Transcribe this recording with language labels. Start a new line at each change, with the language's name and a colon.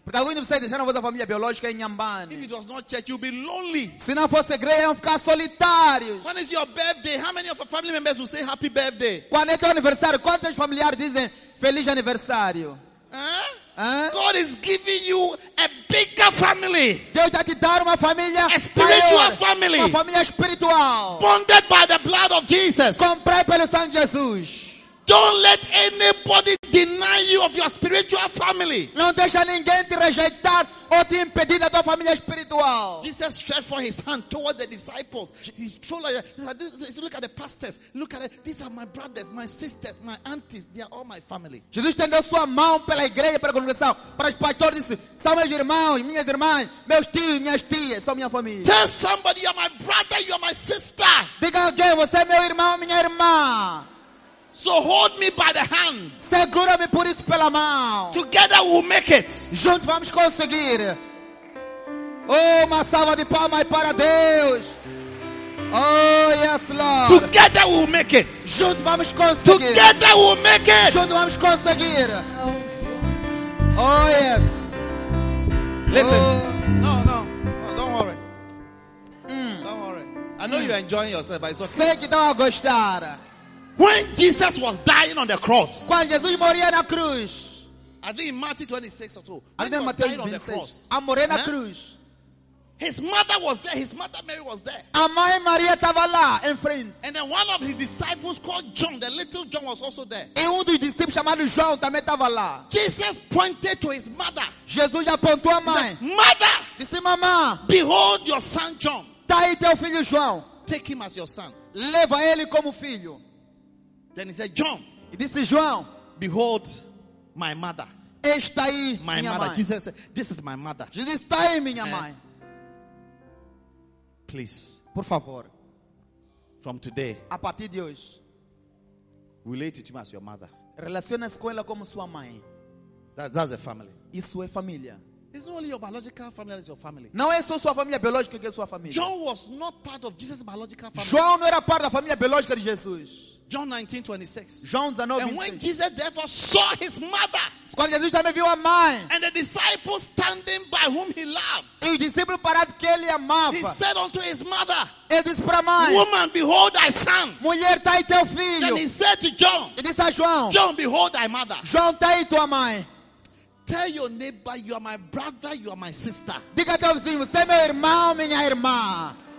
Portuguese: Porque alguém disse, deixando a vossa família biológica em Nyambani.
English: If it was not church, you'd be lonely.
Portuguese: Se não fosse igreja, iam ficar solitários.
English: When is your birthday? How many of your family members will say happy birthday?
Portuguese: Quando é teu aniversário? Quantos familiares dizem feliz aniversário?
English: God is giving you a bigger family.
Portuguese: Deus está te dando uma família,
English: a spiritual maior, family,
Portuguese: uma família espiritual,
English: bonded by the blood of Jesus.
Portuguese: Comprei pelo sangue de Jesus.
English: Don't let anybody deny you of your spiritual family.
Portuguese: Não deixa ninguém te rejeitar ou te impedir da tua família espiritual.
English: Jesus stretched for his hand toward the disciples. He followed. He said, look at the pastors. Look at it. These are my brothers, my sisters, my aunties. They are all my family.
Portuguese: Jesus estendeu sua mão pela igreja, pela congregação, para os pastores. Disse, são meus irmãos, minhas irmãs, meus tios, minhas tias, são minha família.
English: Tell somebody, you are my brother, you are my sister.
Portuguese: Diga alguém, você é meu irmão, minha irmã.
English: So hold me by the hand.
Portuguese: Segura-me por isso pela mão.
English: Together we'll make it.
Portuguese: Juntos vamos conseguir. Oh, uma salva de palmas para Deus.
English: Oh, yes, Lord. Together we'll make it.
Portuguese: Juntos vamos conseguir.
English: Together we'll make it.
Portuguese: Juntos vamos conseguir.
English: Oh, yes. Listen. No, don't worry. Don't worry. I know you're enjoying yourself, but it's okay.
Portuguese: Sei que estão a gostar.
English: When Jesus was dying on the cross.
Portuguese: Quando Jesus morria na cruz.
English: I think in Matthew 26 or so. And then Matthew 26.
Portuguese: A morrer na cruz.
English: His mother was there. His mother Mary was there.
Portuguese: A mãe Maria estava lá em frente.
English: And then one of his disciples called John. The little John was also there.
Portuguese: E dos discípulos chamado João também estava lá.
English: Jesus pointed to his mother.
Portuguese: Jesus apontou a mãe.
English: He said, mother.
Portuguese: Disse, mamã.
English: Behold your son John.
Portuguese: Tá aí teu filho João.
English: Take him as your son.
Portuguese: Leva ele como filho.
English: Then he said, John.
Portuguese: E disse, João.
English: Behold, my mother.
Portuguese: Esta aí,
English: my
Portuguese: minha
English: mother.
Portuguese: Mãe.
English: Jesus said, this is my mother.
Portuguese: Jesus, está aí, minha mãe.
English: Please.
Portuguese: Por favor.
English: From today.
Portuguese: A partir de hoje.
English: Relate to him as your mother.
Portuguese: Relaciona-se com ela como sua mãe.
English: That's a family.
Portuguese: Isso é família.
English: It's not only your biological family that is your family.
Portuguese: Não é só sua família biológica que é sua família.
English: John was not part of Jesus' biological family.
Portuguese: João não era parte da família biológica de Jesus.
English: John 19:26. John 19:26. And when Jesus therefore saw his mother,
Portuguese: quando Jesus também viu a mãe,
English: and the disciples standing by whom he loved,
Portuguese: e o discípulo parado que ele amava,
English: he said unto his mother,
Portuguese: ele disse para a mãe,
English: woman, behold thy son.
Portuguese: Mulher, está aí teu filho.
English: Then he said to John,
Portuguese: ele disse a João,
English: John, behold thy mother.
Portuguese: João, está aí tua mãe.
English: Tell your neighbor, you are my brother, you are my sister.
Portuguese: Diga teu vizinho, você é meu irmão, minha irmã.